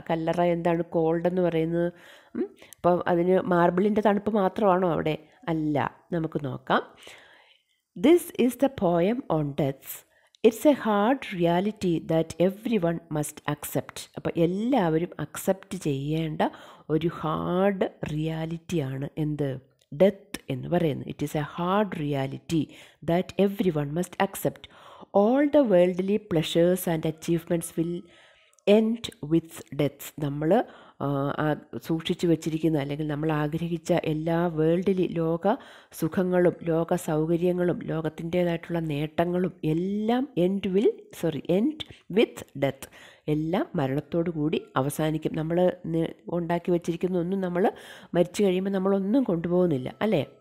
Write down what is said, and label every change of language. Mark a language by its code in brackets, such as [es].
[ml] കല്ലറ എന്താണ് കോൾഡ് എന്ന് പറയുന്നത്? അപ്പോൾ അതിന് മാർബിളിൻ്റെ തണുപ്പ് മാത്രമാണോ അവിടെ? അല്ല, നമുക്ക് നോക്കാം. [en] This is the poem on death. It's a hard reality that everyone must accept. [ml] appa ellavarum accept cheyyanda oru [en] hard reality [ml] aanu endu death ennu parayunu. [en] It is a hard reality that everyone must accept. All the worldly pleasures and achievements will end with death. [ml] nammal സൂക്ഷിച്ചു വച്ചിരിക്കുന്ന അല്ലെങ്കിൽ നമ്മൾ ആഗ്രഹിച്ച എല്ലാ worldly ലോക സുഖങ്ങളും ലോക സൗകര്യങ്ങളും ലോകത്തിൻ്റേതായിട്ടുള്ള നേട്ടങ്ങളും എല്ലാം [en] End with death. [ml] എല്ലാം മരണത്തോടുകൂടി അവസാനിക്കും. നമ്മൾ ഉണ്ടാക്കി വച്ചിരിക്കുന്ന ഒന്നും നമ്മൾ മരിച്ചു കഴിയുമ്പോൾ നമ്മളൊന്നും കൊണ്ടുപോകുന്നില്ല അല്ലേ.